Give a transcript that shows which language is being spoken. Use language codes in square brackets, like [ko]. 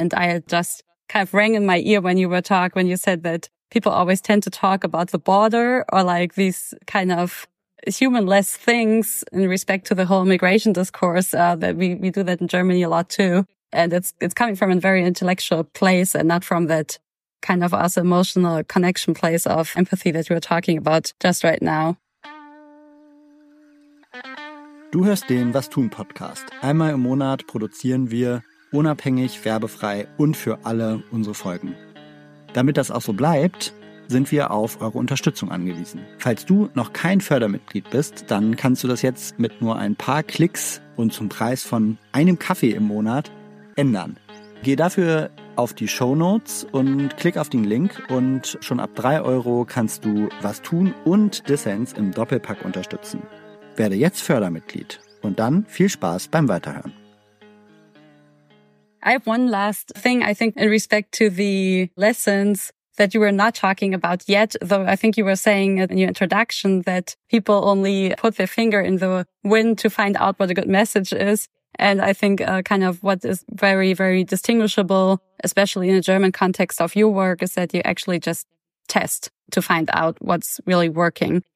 [en] And I just kind of rang in my ear when you were talking, when you said that people always tend to talk about the border or like these kind of humanless things in respect to the whole immigration discourse, that we do that in Germany a lot too. And it's coming from a very intellectual place and not from that kind of also emotional connection place of empathy that you were talking about just right now. [de] Du hörst den Was tun Podcast. Einmal im Monat produzieren wir unabhängig, werbefrei und für alle unsere Folgen. Damit das auch so bleibt, sind wir auf eure Unterstützung angewiesen. Falls du noch kein Fördermitglied bist, dann kannst du das jetzt mit nur ein paar Klicks und zum Preis von einem Kaffee im Monat ändern. Geh dafür auf die Shownotes und klick auf den Link und schon ab 3 Euro kannst du Was tun und Dissens im Doppelpack unterstützen. Werde jetzt Fördermitglied und dann viel Spaß beim Weiterhören. [en] I have one last thing, I think, in respect to the lessons that you were not talking about yet, though I think you were saying in your introduction that people only put their finger in the wind to find out what a good message is. And I think kind of what is very, very distinguishable, especially in a German context of your work, is that you actually just test to find out what's really working.